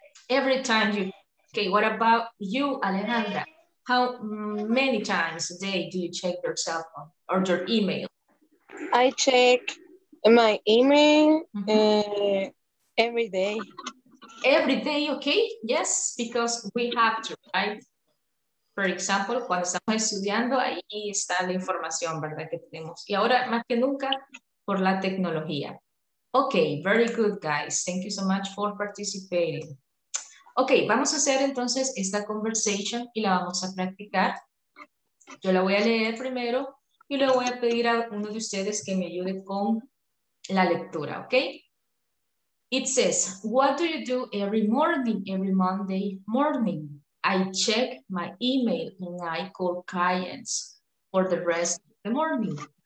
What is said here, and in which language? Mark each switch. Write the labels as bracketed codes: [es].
[en] Every time you, okay, what about you, Alejandra? How many times a day do you check your cell phone or your email? I check my email every day. Every day, okay, yes, because we have to, right? [es] For example, cuando estamos estudiando, ahí está la información, ¿verdad?, que tenemos. Y ahora, más que nunca, por la tecnología. [en] Okay, very good, guys. Thank you so much for participating. [es] Okay, vamos a hacer entonces esta conversation y la vamos a practicar. Yo la voy a leer primero y luego voy a pedir a uno de ustedes que me ayude con la lectura, okay? [en] It says, what do you do every morning, every Monday morning? I check my email and I call clients for the rest of the morning.